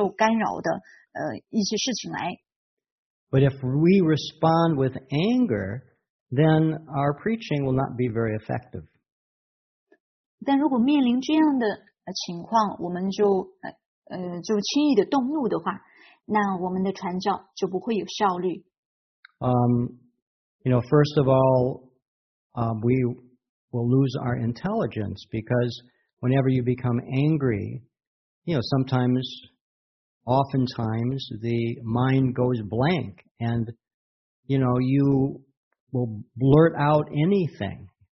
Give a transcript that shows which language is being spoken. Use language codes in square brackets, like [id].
[zh] 因为受到低等的物质沾心态、激情心态和愚昧心态的影响，所以他们自然会说出一些或做出一些让传教者觉得很受干扰的一些事情来。 [en] But if we respond with anger, then our preaching will not be very effective. [zh] 但如果面临这样的情况，我们就轻易的动怒的话，那我们的传教就不会有效率。 [en] You know, first of all, we will lose our intelligence because whenever you become angry, you know, sometimes, oftentimes, the mind goes blank and, you know, you will blurt out anything.